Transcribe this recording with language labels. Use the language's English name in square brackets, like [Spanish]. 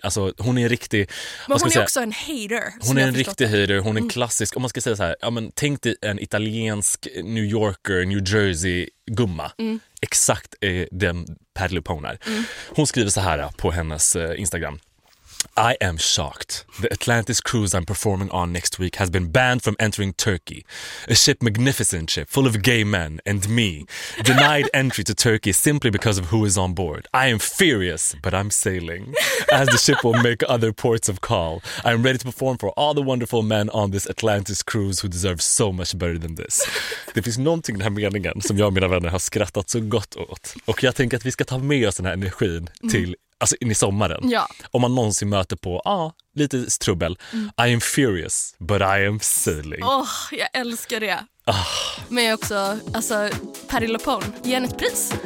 [Swedish] Alltså hon är en riktig... Men hon är också en hater. Hon är en riktig hater, hon är en klassisk. Om man ska säga så här, ja, men tänk dig en italiensk New Yorker, New Jersey-gumma. Exakt den Patti LuPone är. Hon skriver så här på hennes Instagram. [English] I am shocked. The Atlantis cruise I'm performing on next week has been banned from entering Turkey. A ship, magnificent ship, full of gay men and me, denied entry to Turkey simply because of who is on board. I am furious, but I'm sailing. As the ship will make other ports of call, I am ready to perform for all the wonderful men on this Atlantis cruise who deserve so much better than this. [Swedish] Det finns någonting i den här meningen som jag och mina vänner har skrattat så gott åt. Och jag tänker att vi ska ta med oss den här energin till... Alltså in i sommaren. Ja. Om man någonsin möter på lite strubbel. [English] I am furious, but I am sailing. [Swedish] Åh, jag älskar det. Oh. Men jag också, alltså Patti LuPone, ge henne ett pris.